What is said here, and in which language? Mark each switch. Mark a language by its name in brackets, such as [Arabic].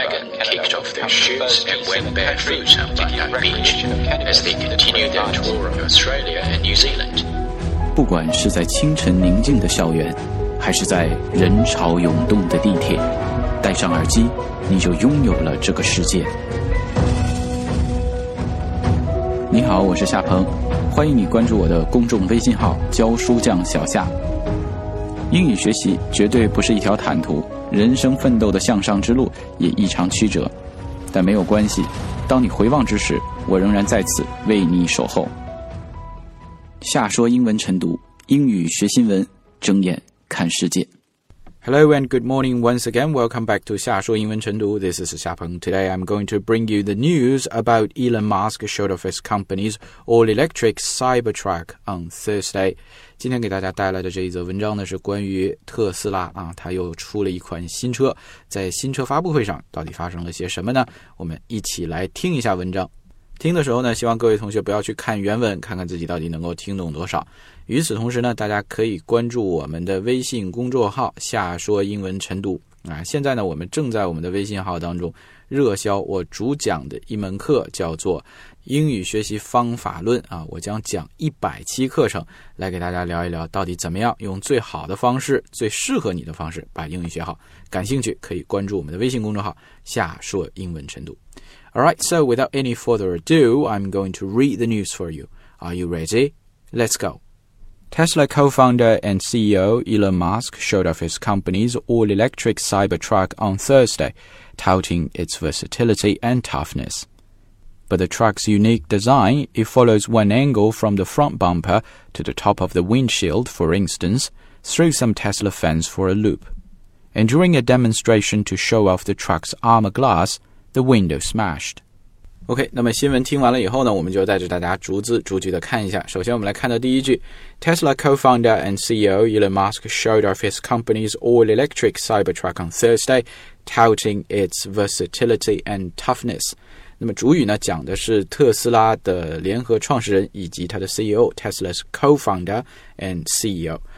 [English] and Meghan kicked off their shoes and went barefoot on Bondi Beach as they continued their tour of Australia and New Zealand. [Chinese] 不管是在清晨宁静的校园，还是在人潮涌动的地铁，戴上耳机，你就拥有了这个世界。你好，我是夏鹏，欢迎你关注我的公众微信号教书匠小夏。英语学习绝对不是一条坦途，人生奋斗的向上之路也异常曲折，但没有关系，当你回望之时，我仍然在此为你守候。夏说英文晨读，英语学新闻，睁眼看世界。 [English] Hello and good morning once again. Welcome back to 夏说英文晨读.This is Xia Peng. Today I'm going to bring you the news about Elon Musk showed off his company's all-electric Cybertruck on Thursday. [Chinese] 今天给大家带来的这一则文章呢是关于特斯拉啊，它又出了一款新车，在新车发布会上到底发生了些什么呢？我们一起来听一下文章。听的时候呢，希望各位同学不要去看原文，看看自己到底能够听懂多少。与此同时呢，大家可以关注我们的微信公众号下说英文晨读啊。现在呢，我们正在我们的微信号当中热销我主讲的一门课，叫做英语学习方法论啊。我将讲100期课程，来给大家聊一聊到底怎么样用最好的方式，最适合你的方式把英语学好。感兴趣可以关注我们的微信公众号下说英文晨读。 [English] Alright, so without any further ado, I'm going to read the news for you. Are you ready? Let's go. Tesla co-founder and CEO Elon Musk showed off his company's all-electric Cybertruck on Thursday, touting its versatility and toughness. But the truck's unique design, it follows one angle from the front bumper to the top of the windshield, for instance, threw some Tesla fans for a loop. And during a demonstration to show off the truck's armor glass,The window smashed. [Chinese] OK, 那么新闻听完了以后呢，我们就带着大家逐字逐句的看一下。首先我们来看到第一句， [English] Tesla co-founder and CEO Elon Musk showed off his company's all-electric Cybertruck on Thursday, touting its versatility and toughness. [Chinese] 那么主语呢，讲的是特斯拉的联合创始人以及他的 CEO, [English] Tesla's co-founder and CEO.